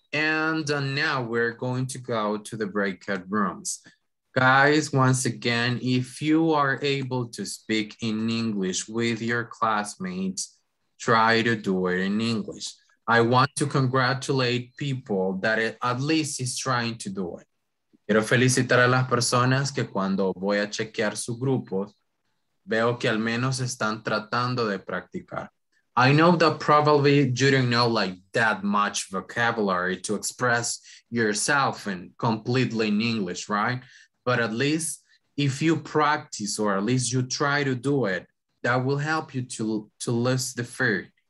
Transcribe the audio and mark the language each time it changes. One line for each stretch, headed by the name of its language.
English: And now we're going to go to the breakout rooms. Guys, once again, if you are able to speak in English with your classmates, try to do it in English. I want to congratulate people that at least is trying to do it.
Spanish: Quiero felicitar a las personas que cuando voy a chequear su grupo, veo que al menos están tratando de practicar.
English: I know that probably you don't know like that much vocabulary to express yourself in completely in English, right? But at least if you practice or at least you try to do it, that will help you to lose the fear.